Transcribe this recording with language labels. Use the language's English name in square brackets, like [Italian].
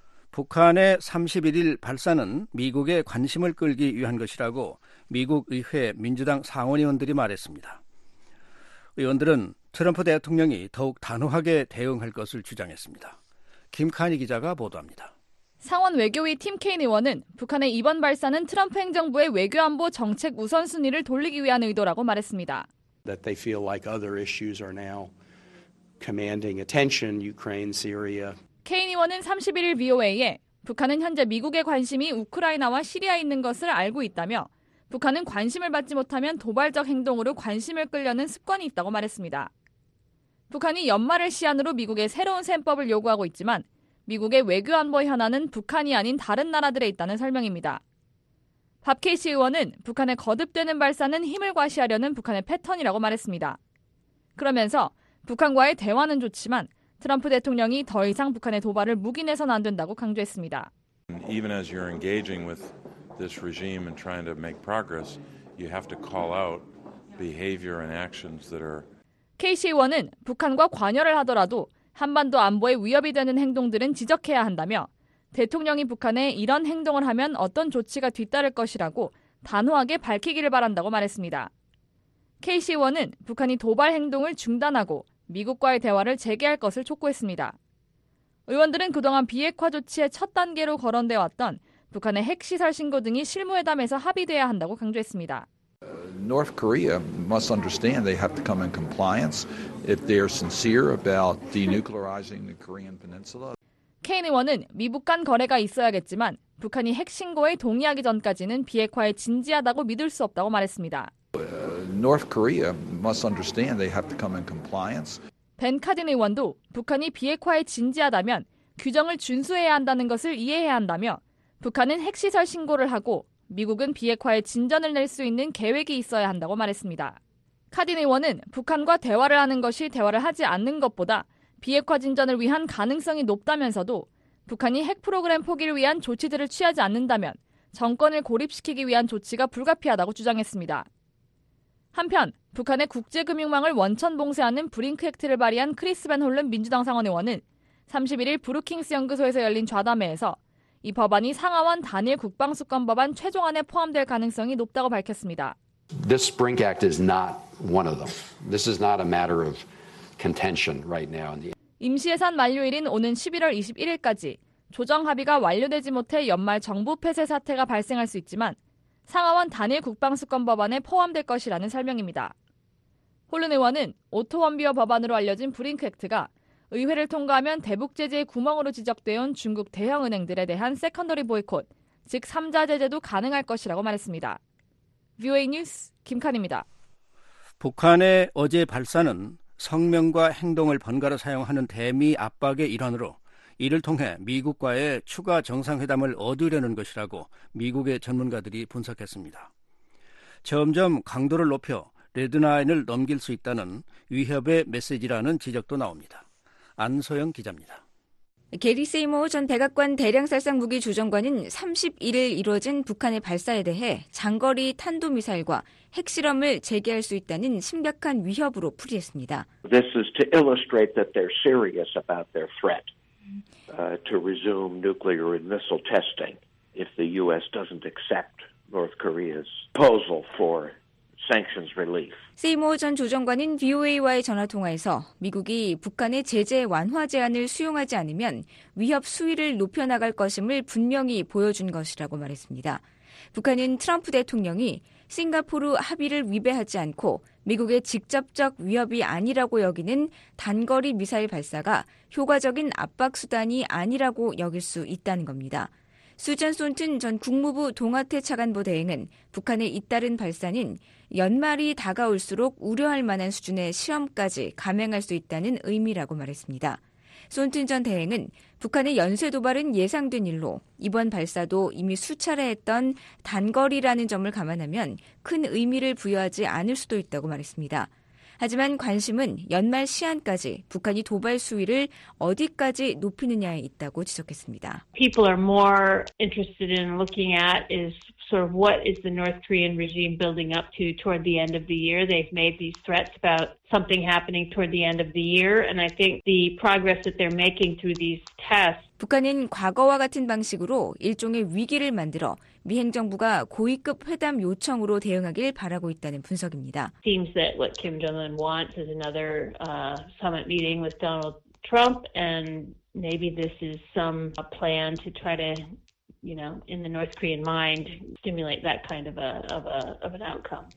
[Korean] 북한의 31일 발사는 미국의 관심을 끌기 위한 것이라고 미국 의회 민주당 상원의원들이 말했습니다. 의원들은 트럼프 대통령이 더욱 단호하게 대응할 것을 주장했습니다. 김카니 기자가 보도합니다. 상원 외교위 팀 케인 의원은 북한의 이번 발사는 트럼프 행정부의 외교안보 정책 우선순위를 돌리기 위한 의도라고 말했습니다. [English] That they feel like other issues are now commanding attention, Ukraine, Syria. [Korean] 케인 의원은 31일 VOA에 북한은 현재 미국의 관심이 우크라이나와 시리아에 있는 것을 알고 있다며 북한은 관심을 받지 못하면 도발적 행동으로 관심을 끌려는 습관이 있다고 말했습니다. 북한이 연말을 시한으로 미국의 새로운 셈법을 요구하고 있지만 미국의 외교안보 현안은 북한이 아닌 다른 나라들에 있다는 설명입니다. 밥케이시 의원은 북한의 거듭되는 발사는 힘을 과시하려는 북한의 패턴이라고 말했습니다. 그러면서 북한과의 대화는 좋지만 트럼프 대통령이 더 이상 북한의 도발을 묵인해서는 안 된다고 강조했습니다. [English] Even as you're engaging with this regime and trying to make progress, you have to call out behavior and actions that are. [Korean] KC 의원은 북한과 관여를 하더라도 한반도 안보에 위협이 되는 행동들은 지적해야 한다며 대통령이 북한에 이런 행동을 하면 어떤 조치가 뒤따를 것이라고 단호하게 밝히기를 바란다고 말했습니다. KC 의원은 북한이 도발 행동을 중단하고 미국과의 대화를 재개할 것을 촉구했습니다. 의원들은 그동안 비핵화 조치의 첫 단계로 거론되어 왔던 북한의 핵시설 신고 등이 실무회담에서 합의돼야 한다고 강조했습니다. [English] North Korea must understand they have to come in compliance if they are sincere about denuclearizing the Korean Peninsula. [Korean] 케인 의원은 미북 간 거래가 있어야겠지만 북한이 핵신고에 동의하기 전까지는 비핵화에 진지하다고 믿을 수 없다고 말했습니다. [English] North Korea must understand they have to come in compliance. [Korean] 벤 카딘 의원도 북한이 비핵화에 진지하다면 규정을 준수해야 한다는 것을 이해해야 한다며 북한은 핵시설 신고를 하고 미국은 비핵화에 진전을 낼 수 있는 계획이 있어야 한다고 말했습니다. 카딘 의원은 북한과 대화를 하는 것이 대화를 하지 않는 것보다 비핵화 진전을 위한 가능성이 높다면서도 북한이 핵 프로그램 포기를 위한 조치들을 취하지 않는다면 정권을 고립시키기 위한 조치가 불가피하다고 주장했습니다. 한편 북한의 국제금융망을 원천 봉쇄하는 브링크 액트를 발의한 크리스 밴 홀른 민주당 상원 의원은 31일 브루킹스 연구소에서 열린 좌담회에서 이 법안이 상하원 단일 국방수권법안 최종안에 포함될 가능성이 높다고 밝혔습니다. [English] This Brink Act is not one of them. This is not a matter of contention right now. [Korean] 임시예산 만료일인 오는 11월 21일까지 조정 합의가 완료되지 못해 연말 정부 폐쇄 사태가 발생할 수 있지만 상하원 단일 국방수권법안에 포함될 것이라는 설명입니다. 홀른 의원은 오토 원비어 법안으로 알려진 브링크 액트가 의회를 통과하면 대북 제재의 구멍으로 지적되어온 중국 대형 은행들에 대한 세컨더리 보이콧, 즉 3자 제재도 가능할 것이라고 말했습니다. VOA 뉴스 김칸입니다. 북한의 어제 발사는 성명과 행동을 번갈아 사용하는 대미 압박의 일환으로 이를 통해 미국과의 추가 정상회담을 얻으려는 것이라고 미국의 전문가들이 분석했습니다. 점점 강도를 높여 레드라인을 넘길 수 있다는 위협의 메시지라는 지적도 나옵니다. 안소영 기자입니다. 게리 세이머 전 백악관 대량살상무기 조정관은 31일 이뤄진 북한의 발사에 대해 장거리 탄도미사일과 핵실험을 재개할 수 있다는 심각한 위협으로 풀이했습니다. [English] This is to illustrate that they're serious about their threat to resume nuclear and missile testing if the U.S. doesn't accept North Korea's proposal for sanctions relief. [Korean] 세이모 전 조정관은 VOA와의 전화통화에서 미국이 북한의 제재 완화 제안을 수용하지 않으면 위협 수위를 높여나갈 것임을 분명히 보여준 것이라고 말했습니다. 북한은 트럼프 대통령이 싱가포르 합의를 위배하지 않고 미국의 직접적 위협이 아니라고 여기는 단거리 미사일 발사가 효과적인 압박 수단이 아니라고 여길 수 있다는 겁니다. 수잔 손튼 전 국무부 동아태 차관보 대행은 북한의 잇따른 발사는 연말이 다가올수록 우려할 만한 수준의 시험까지 감행할 수 있다는 의미라고 말했습니다. 손튼 전 대행은 북한의 연쇄 도발은 예상된 일로 이번 발사도 이미 수차례 했던 단거리라는 점을 감안하면 큰 의미를 부여하지 않을 수도 있다고 말했습니다. 하지만 관심은 연말 시한까지 북한이 도발 수위를 어디까지 높이느냐에 있다고 지적했습니다. [English] People are more interested in looking at is sort of what is the North Korean regime building up to toward the end of the year. They've made these threats about something happening toward the end of the year, and I think the progress that they're making through these tests. [Korean] 북한은 과거와 같은 방식으로 일종의 위기를 만들어 미 행정부가 고위급 회담 요청으로 대응하길 바라고 있다는 분석입니다. [English] Seems that what Kim Jong-un wants is another summit meeting with Donald Trump, and maybe this is some plan to try to, you know, in the North Korean mind, stimulate that kind of an outcome.